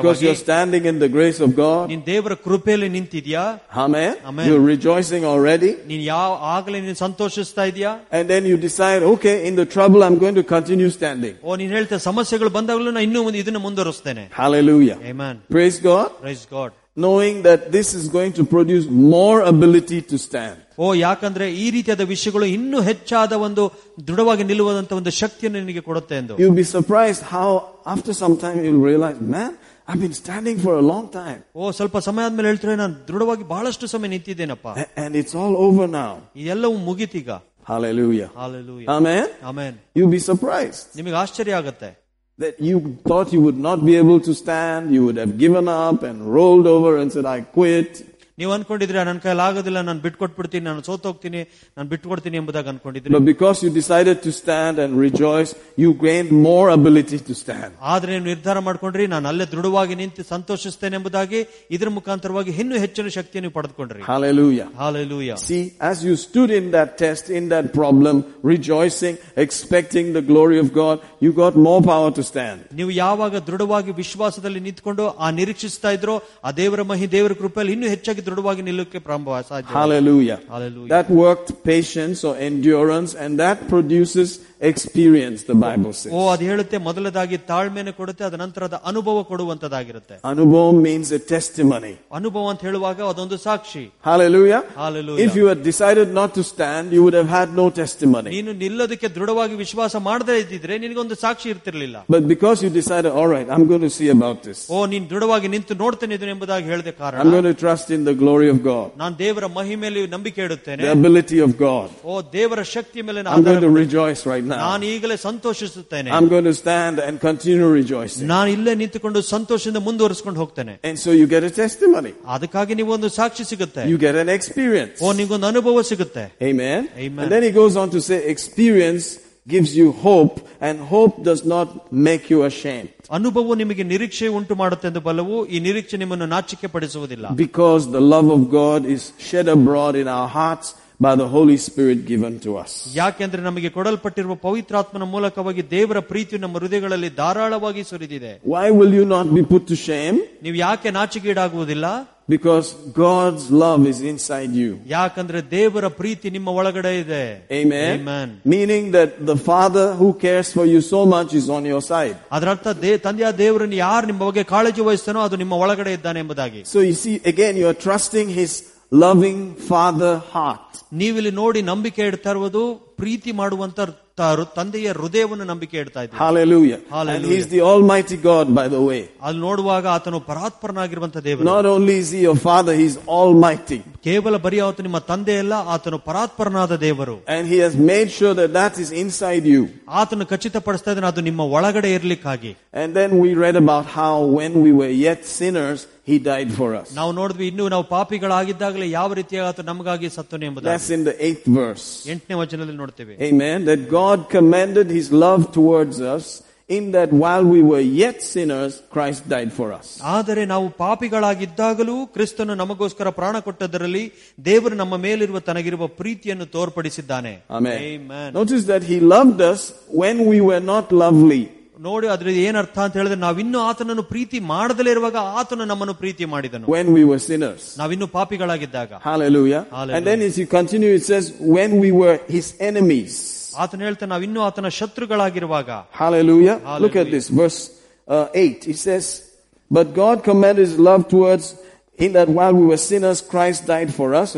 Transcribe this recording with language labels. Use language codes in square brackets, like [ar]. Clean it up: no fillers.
[en] because you are standing in the grace of God, [kn] ನೀನು ದೇವರ ಕೃಪೆಯಲ್ಲಿ ನಿಂತಿದ್ಯಾ. [en] Amen. You are rejoicing already. [kn] ನೀನು ಯಾವ ಆಗಲೇ ನೀನು ಸಂತೋಷಿಸ್ತಾ ಇದೀಯಾ. [en] And then you decide, okay, in the trouble I am going to continue standing. [kn] ಓ ನೀನು ಹೇಳ್ತಾ ಸಮಸ್ಯೆಗಳು ಬಂದಾಗಲೂ ನಾನು ಇನ್ನೂ ಮುಂದೆ ಇದನ್ನು ಮುಂದುವರಿಸುತ್ತೇನೆ. [en] Hallelujah. Amen. Praise God. Praise God. Knowing that this is going to produce more ability to stand. [kn] ಓ ಯಾಕಂದ್ರೆ ಈ ರೀತಿಯಾದ ವಿಷಯಗಳು ಇನ್ನೂ ಹೆಚ್ಚಾದ ಒಂದು ದೃಢವಾಗಿ ನಿಲ್ಲುವಂತಹ ಒಂದು ಶಕ್ತಿಯನ್ನು ನಿನಗೆ ಕೊಡುತ್ತೆ ಎಂದು. [en] You'll be surprised how after some time you'll realize, man, I've been standing for a long time. [kn] ಓ ಸ್ವಲ್ಪ ಸಮಯ ಆದ್ಮೇಲೆ ಹೇಳ್ತಾರೆ, ನಾನು ದೃಢವಾಗಿ ಬಹಳಷ್ಟು ಸಮಯ ನಿಂತಿದ್ದೇನಪ್ಪ. [en] And it's all over now. [kn] ಇದೆಲ್ಲವೂ ಮುಗಿತೀಗ. [en] Hallelujah. Hallelujah. Amen. Amen. You'll be surprised. [kn] ನಿಮಗೆ ಆಶ್ಚರ್ಯ ಆಗುತ್ತೆ. [en] That you thought you would not be able to stand, you would have given up and rolled over and said, I quit. [kn] ನೀವು ಅನ್ಕೊಂಡಿದ್ರೆ ನನ್ನ ಕೈ ಆಗೋದಿಲ್ಲ, ನಾನು ಬಿಟ್ಕೊಟ್ಬಿಡ್ತೀನಿ, ನಾನು ಸೋತೋಗ್ತೀನಿ, ನಾನು ಬಿಟ್ಕೊಡ್ತೀನಿ ಎಂಬುದಾಗಿ ಅನ್ಕೊಂಡಿದ್ರೆ. [en] But because you decided to stand and rejoice, you gained more ability to stand. [kn] ಆದ್ರೆ ನೀವು ನಿರ್ಧಾರ ಮಾಡ್ಕೊಂಡ್ರಿ, ನಾನು ಅಲ್ಲೇ ದೃಢವಾಗಿ ನಿಂತು ಸಂತೋಷಿಸ್ತೇನೆ ಎಂಬುದಾಗಿ, ಇದರ ಮುಖಾಂತರವಾಗಿ ಇನ್ನೂ ಹೆಚ್ಚಿನ ಶಕ್ತಿಯನ್ನು ಪಡೆದುಕೊಂಡ್ರಿ. [en] Hallelujah. Hallelujah. See, as you stood in that test, in that problem, rejoicing, expecting the glory of God, you got more power to stand. [kn] ನೀವು ಯಾವಾಗ ದೃಢವಾಗಿ ವಿಶ್ವಾಸದಲ್ಲಿ ನಿಂತುಕೊಂಡು ಆ ನಿರೀಕ್ಷಿಸ್ತಾ ಇದ್ರೋ, ಆ ದೇವರ ಮಹಿ ದೇವರ ಕೃಪೆಯಲ್ಲಿ ಇನ್ನೂ ಹೆಚ್ಚಾಗಿ ದೃಢವಾಗಿ ನಿಲ್ಲಕ್ಕೆ ಪ್ರಾರಂಭವಾಗ ಸಾಧ್ಯ. [en] Hallelujah. Hallelujah. That worked patience or endurance, and that produces experience, the Bible says. [kn] ಓ ಅದು ಹೇಳುತ್ತೆ, ಮೊದಲದಾಗಿ ತಾಳ್ಮೆಯನ್ನು ಕೊಡುತ್ತೆ, ಅದ ನಂತರದ ಅನುಭವ ಕೊಡುವಂತದಾಗಿರುತ್ತೆ. [en] Anubhav means a testimony. [kn] ಅನುಭವ ಅಂತ ಹೇಳುವಾಗ ಅದೊಂದು ಸಾಕ್ಷಿ. [en] Hallelujah. Hallelujah. If you had decided not to stand, you would have had no testimony. [kn] ನೀನು ನಿಲ್ಲೋದಕ್ಕೆ ದೃಢವಾಗಿ ವಿಶ್ವಾಸ ಮಾಡದೇ ಇದ್ದಿದ್ರೆ ನಿನಗೆ ಒಂದು ಸಾಕ್ಷಿ ಇರ್ತಿರಲಿಲ್ಲ. [en] But because you decided, all right, I'm going to see about this. [kn] ಓ ನೀನು ದೃಢವಾಗಿ ನಿಂತು ನೋಡ್ತೇನೆ ಇದನ್ನು ಎಂಬುದಾಗಿ ಹೇಳಿದ ಕಾರಣ, [en] I'm going to trust in the glory of God. [kn] ನಾನು ದೇವರ ಮಹಿಮೆಯಲ್ಲಿ ನಂಬಿಕೆ ಇಡುತ್ತೇನೆ. [en] The ability of God. [kn] ಓ ದೇವರ ಶಕ್ತಿಯ ಮೇಲೆ ನಾನು, [en] I'm going to rejoice right now. [kn] ನಾನು ಈಗಲೇ ಸಂತೋಷಿಸುತ್ತೇನೆ. [en] I'm going to stand and continue rejoicing. [kn] ನಾನು ಇಲ್ಲೇ ನಿಂತುಕೊಂಡು ಸಂತೋಷದಿಂದ ಮುಂದುವರಿಸಿಕೊಂಡು ಹೋಗ್ತೇನೆ. [en] And so you get a testimony. [kn] ಅದಕ್ಕಾಗಿ ನೀವು ಒಂದು ಸಾಕ್ಷಿ ಸಿಗುತ್ತೆ. [en] You get an experience. [kn] ಓ ನಿಮಗೆ ಒಂದು ಅನುಭವ ಸಿಗುತ್ತೆ. [en] Amen. Amen. And then he goes on to say, experience gives you hope, and hope does not make you ashamed. [kn] ಅನುಭವವು ನಿಮಗೆ ನಿರೀಕ್ಷೆ ಉಂಟು ಮಾಡುತ್ತೆ ಎಂದು ಬಲವು, ಈ ನಿರೀಕ್ಷೆ ನಿಮ್ಮನ್ನು ನಾಚಿಕೆ ಪಡಿಸುವುದಿಲ್ಲ. [en] Because the love of God is shed abroad in our hearts by the Holy Spirit given to us. [kn] ಯಾಕೆಂದ್ರೆ ನಮಗೆ ಕೊಡಲ್ಪಟ್ಟಿರುವ ಪವಿತ್ರಾತ್ಮನ ಮೂಲಕವಾಗಿ ದೇವರ ಪ್ರೀತಿಯು ನಮ್ಮ ಹೃದಯಗಳಲ್ಲಿ ಧಾರಾಳವಾಗಿ ಸುರಿದಿದೆ. [en] Why will you not be put to shame? [kn] ನೀವು ಯಾಕೆ ನಾಚಿಕೆಗೀಡಾಗುವುದಿಲ್ಲ? [en] Because God's love is inside you. [kn] ಯಾಕಂದ್ರೆ ದೇವರ ಪ್ರೀತಿ ನಿಮ್ಮ ಒಳಗಡೆ ಇದೆ. [en] Amen. Amen. Meaning that the Father who cares for you so much is on your side. [kn] ಅದರ ಅರ್ಥ ತಂದೆಯ ದೇವರನ್ನು ಯಾರು ನಿಮ್ಮ ಬಗ್ಗೆ ಕಾಳಜಿ ವಹಿಸ್ತಾನೋ ಅದು ನಿಮ್ಮ ಒಳಗಡೆ ಇದ್ದಾನೆ ಎಂಬುದಾಗಿ. [en] So you see, again, you are trusting his loving father heart. [kn] ನೀವಿಲ್ಲಿ ನೋಡಿ ನಂಬಿಕೆ ಇಡ್ತಾ ಇರುವುದು ಪ್ರೀತಿ ಮಾಡುವಂತ ತಂದೆಯ ಹೃದಯವನ್ನು ನಂಬಿಕೆ ಇಡ್ತಾ ಇದ್ದಾರೆ. [en] Hallelujah. And he's the almighty God, by the way. [kn] ಅಲ್ಲಿ ನೋಡುವಾಗ ಆತನು ಪರಾತ್ಪರನಾಗಿರುವಂತಹ ದೇವರು. [en] Not only is he your father, he's almighty. [kn] ಕೇವಲ ಬರೀ ಆತ ನಿಮ್ಮ ತಂದೆ ಅಲ್ಲ, ಆತನು ಪರಾತ್ಪರನಾದ ದೇವರು. [en] And he has made sure that that is inside you. [kn] ಆತನು ಖಚಿತಪಡಿಸ್ತಾ ಇದ್ದಾನೆ ಅದು ನಿಮ್ಮ ಒಳಗಡೆ ಇರಲಿಕ್ಕಾಗಿ. [en] And then we read about how when we were yet sinners, he died for us. [kn] ನಾವು ನೋಡಿದ್ವಿ ಇನ್ನು ನಾವು ಪಾಪಿಗಳಾಗಿದ್ದಾಗಲೇ ಯಾವ ರೀತಿಯಾಗಿ ಆತ ನಮಗಾಗಿ ಸತ್ತನು ಎಂಬುದು. [en] That's in the 8th verse. [kn] 8th ವಚನದಲ್ಲಿ ನೋಡ್ತೇವೆ. [en] Amen. That God commended his love towards us in that while we were yet sinners, Christ died for us. [kn] ಆದರೆ ನಾವು ಪಾಪಿಗಳಾಗಿದ್ದಾಗಲೂ ಕ್ರಿಸ್ತನು ನಮಗೋಸ್ಕರ ಪ್ರಾಣ ಕೊಟ್ಟದರಲ್ಲಿ ದೇವರು ನಮ್ಮ ಮೇಲಿರುವ ತನಗಿರುವ ಪ್ರೀತಿಯನ್ನು ತೋರ್ಪಡಿಸಿದ್ದಾನೆ. [en] Amen. Notice that he loved us when we were not lovely. [kn] ನೋಡಿ ಅದ್ರ ಏನರ್ಥ ಅಂತ ಹೇಳಿದ್ರೆ ನಾವಿನ್ನೂ ಆತನನ್ನು ಪ್ರೀತಿ ಮಾಡದಲ್ಲೇ ಇರುವಾಗ ಆತನು ನಮ್ಮನ್ನು ಪ್ರೀತಿ ಮಾಡಿದನು. [en] When we were sinners. [kn] ನಾವಿನ್ನೂ ಪಾಪಿಗಳಾಗಿದ್ದಾಗ. [en] Hallelujah. And then as you continue, it says, when we were his enemies. [kn] ಆತನ ಹೇಳ್ತಾ ನಾವಿನ್ನೂ ಆತನ ಶತ್ರುಗಳಾಗಿರುವಾಗ. [en] Hallelujah. Look at this, verse 8. It says, but God commended his love towards in that while we were sinners, Christ died for us.